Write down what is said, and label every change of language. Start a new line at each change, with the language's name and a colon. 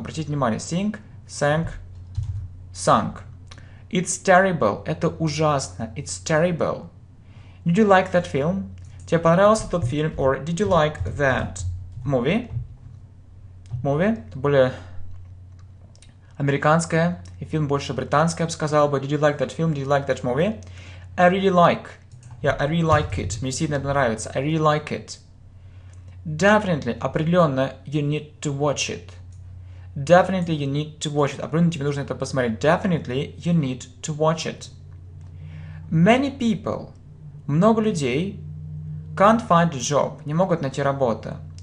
Russian: Обратите внимание,
English: sink, sank, sunk. It's terrible.
Russian: Это ужасно.
English: It's terrible. Did you like that film?
Russian: Тебе понравился тот фильм?
English: Or did you like that movie? Movie?
Russian: Это более американское. И фильм больше британское, я бы сказал.
English: But did you like that film? Did you like that movie? I really like. Yeah, I really like it.
Russian: Мне сильно это нравится.
English: I really like it. Definitely,
Russian: определенно,
English: you need to watch it. Definitely, you need to watch it.
Russian: Определенно, тебе нужно это посмотреть.
English: Definitely, you need to watch it. Many people,
Russian: много людей,
English: can't find a job,
Russian: не могут найти работу.